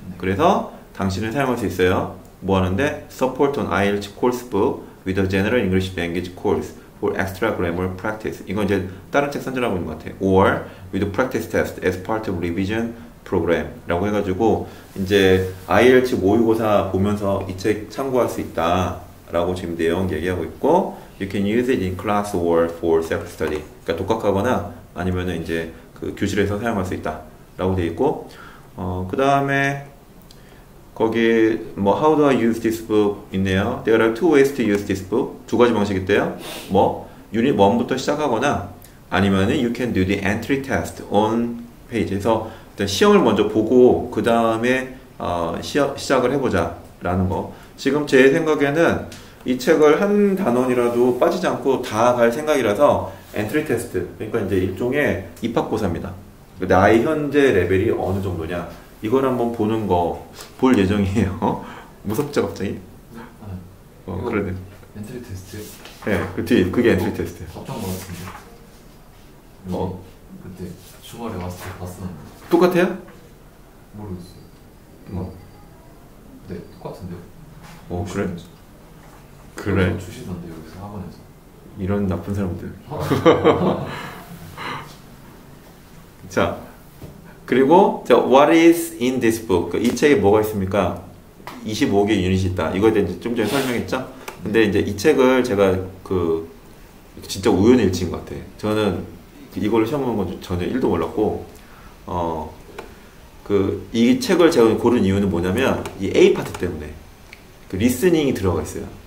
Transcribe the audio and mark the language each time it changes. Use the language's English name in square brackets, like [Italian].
[Korean] 그래서 당신은 사용할 수 있어요. 뭐 하는데? [English] Support on IELTS course book with a general English language course for extra grammar practice. [Korean] 이건 이제 다른 책 선전하고 있는 것 같아요. [English] Or with practice test as part of revision program [Korean] 라고 해가지고 이제 IELTS 모의고사 보면서 이 책 참고할 수 있다 라고 지금 내용 얘기하고 있고 [English] You can use it in class or for self-study. [Korean] 그러니까 독학하거나 아니면 이제 그 교실에서 사용할 수 있다 라고 되어 있고 그 다음에 거기 뭐 [English] How do I use this book [Korean] 있네요. [English] There are two ways to use this book. [Korean] 두 가지 방식이 있대요. 뭐 유닛 1부터 시작하거나 아니면은 [English] you can do the entry test on page [Korean] 에서 일단 시험을 먼저 보고 그 다음에 시작을 해보자 라는 거. 지금 제 생각에는 이 책을 한 단원이라도 빠지지 않고 다 갈 생각이라서 엔트리 테스트, 그러니까 이제 일종의 입학고사입니다. 나의 현재 레벨이 어느 정도냐 이걸 한번 보는 거 볼 예정이에요. 무섭죠 갑자기? 그러네. 엔트리 테스트? 네, 그치, 그게 엔트리 테스트. 어떤 거 같은데? 뭐? 그때 주말에 왔을 때 봤었는데 똑같아요? 모르겠어요. 뭐? 네, 똑같은데요. 그래? 그래. 주시던데 여기서 학원에서. 이런 나쁜 사람들. 자, 그리고 자, [English] What is in this book? [Korean] 이 책에 뭐가 있습니까? 25개 유닛이 있다. 이거에 대해 좀 전에 설명했죠? 근데 이제 이 책을 제가 그 진짜 우연히 읽힌 것 같아. 저는 이걸 시험 보는 건 전혀 1도 몰랐고 그 이 책을 제가 고른 이유는 뭐냐면 이 A 파트 때문에 그 리스닝이 들어가 있어요.